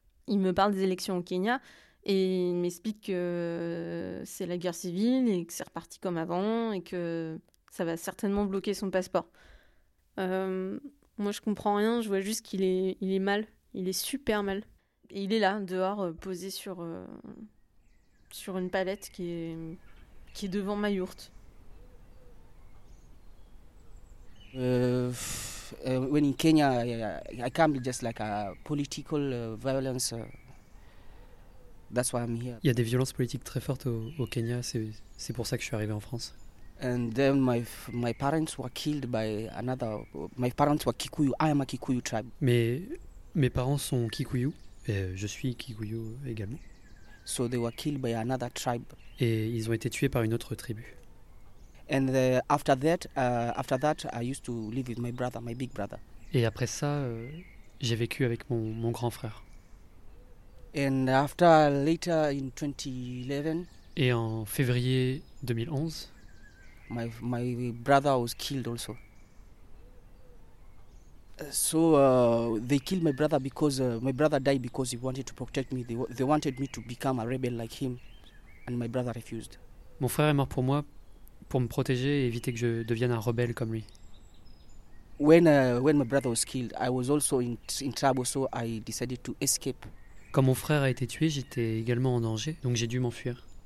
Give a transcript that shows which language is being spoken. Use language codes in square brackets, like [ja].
[fr] Il me parle des élections au Kenya. Et il m'explique que c'est la guerre civile et que c'est reparti comme avant et que ça va certainement bloquer son passeport. Moi, je comprends rien. Je vois juste qu'il est mal. Il est super mal. Et il est là, dehors, posé sur une palette qui est devant ma yourte. [en] When in Kenya, I come just like a political violence. That's why I'm here. [fr] Il y a des violences politiques très fortes au Kenya, c'est pour ça que je suis arrivé en France. [en] And then my parents were killed by another. My parents were Kikuyu. I am a Kikuyu tribe. [fr] Mais mes parents sont Kikuyu et je suis Kikuyu également. [en] So they were killed by another tribe. [fr] Et ils ont été tués par une autre tribu. [en] And the, after that I used to live with my brother, my big brother. [fr] Et après ça, j'ai vécu avec mon grand frère. [en] And after later in 2011. [fr] Et en février 2011. [en] My brother was killed also. So they killed my brother because my brother died because he wanted to protect me. They wanted me to become a rebel like him, and my brother refused. [fr] Mon frère est mort pour moi, pour me protéger et éviter que je devienne un rebelle comme lui. [en] When my brother was killed, I was also in trouble, so I decided to escape. [fr] Quand mon frère a été tué, j'étais également en danger, donc j'ai dû m'enfuir.